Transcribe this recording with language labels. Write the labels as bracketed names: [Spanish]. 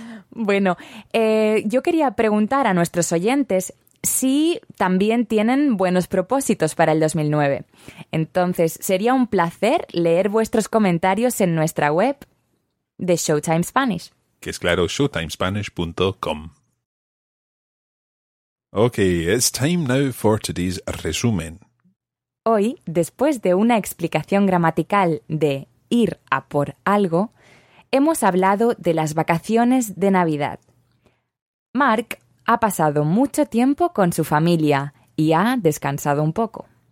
[Spanish] Bueno, yo quería preguntar a nuestros oyentes si también tienen buenos propósitos para el 2009. Entonces, sería un placer leer vuestros comentarios en nuestra web de Showtime Spanish. Que es claro, showtimespanish.com. [English] Ok, it's time now for today's resumen. [Spanish] Hoy, después de una explicación gramatical de ir a por algo, hemos hablado de las vacaciones de Navidad. Marc ha pasado mucho tiempo con su familia y ha descansado un poco.